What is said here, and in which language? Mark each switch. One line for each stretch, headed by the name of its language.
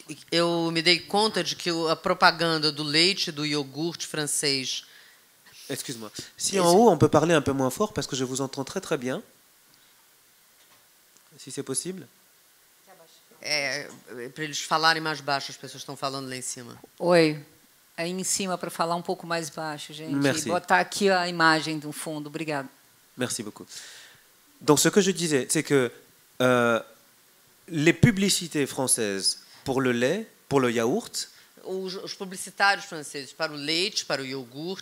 Portuguese: eu me dei conta de que a propaganda do leite e do iogurte francês.
French: Excuse-moi. Si en haut on peut parler un peu moins fort parce que je vous entends très très bien. Si c'est possible.
Portuguese: Para eles falarem mais baixo, as pessoas estão falando lá em cima. Oi. Aí em cima para falar um pouco mais baixo, gente.
French: Merci.
Portuguese: Botar aqui a imagem do fundo. Obrigado.
French: Merci beaucoup. Donc ce que je disais, c'est que les publicités françaises pour le lait, pour le yaourt,
Portuguese: os publicitários franceses para o leite, para o iogurte,